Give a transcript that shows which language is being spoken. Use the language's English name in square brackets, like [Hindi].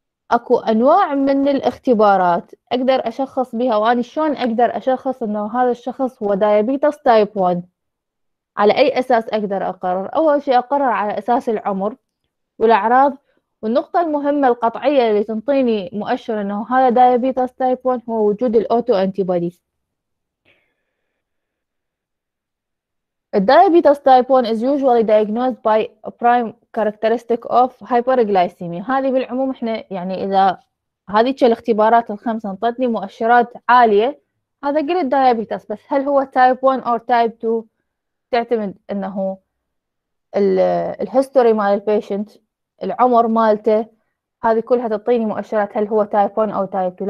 [Arabic] اكو انواع من الاختبارات اقدر اشخص بها، واني شلون اقدر اشخص انه هذا الشخص هو دايابيتس تايب 1؟ على اي اساس اقدر اقرر؟ اول شيء اقرر على اساس العمر والاعراض، والنقطة المهمة القطعية اللي تنطيني مؤشر انه هذا دايابيتس تايب 1 هو وجود الاوتو انتي بودي. [English] الدايابيتس type 1 is usually diagnosed by a prime characteristic of hyperglycemia. [Arabic] هذه بالعموم احنا يعني اذا هذه الاختبارات الخمسة انطتني مؤشرات عالية هذا قل الدايابيتس، بس هل هو تايب 1 او تايب 2 تعتمد انه الهيستوري مال البيشنت، العمر مالته، هذه كلها تعطيني مؤشرات هل هو تايب 1 او تايب 2.